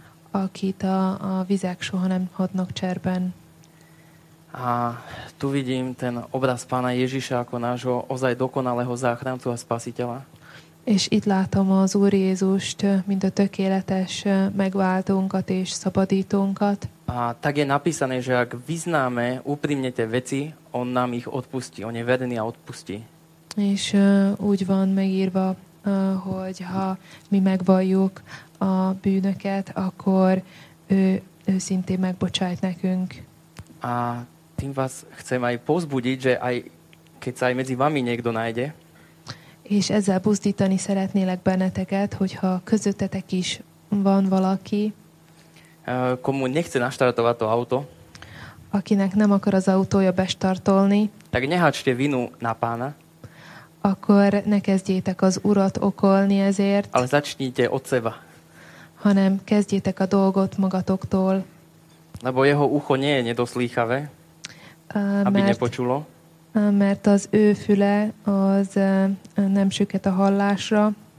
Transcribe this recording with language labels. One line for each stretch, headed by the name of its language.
Hungarian: Akit a vizek soha nem hadnak cserben.
Slovak: A tu vidím ten obraz Pána Ježiša ako nášho ozaj dokonalého záchrancu a spasiteľa.
Hungarian: És itt látom az Úr Jézust, mint a tökéletes megváltónkat és szabadítónkat.
Slovak: A tak je napísané, že ak vyznáme úprimne tie veci, on nám ich odpustí, on je verný a odpustí.
Hungarian: És úgy van megírva, hogy ha mi megvalljuk a bűnöket, akkor ő őszintén megbocsájt nekünk.
Slovak: A tým vás chcem aj pozbudiť, že aj keď sa aj medzi vami niekto nájde.
Hungarian: És ezzel buzdítani szeretnélek benneteket, hogyha közöttetek is van valaki,
Slovak: komu nechce naštartovať to auto,
Hungarian: akinek nem akar az autója bestartolni,
Slovak: tak nehačte vinu na Pána,
Hungarian: akkor ne kezdjétek az Urat okolni ezért,
Slovak: ale začnite od seba,
Hungarian: hanem kezdjétek a dolgot magatoktól,
Slovak: lebo jeho ucho nie je nedoslýchavé, aby nepočulo,
Hungarian: mert az ő füle az nem süket a hallásra.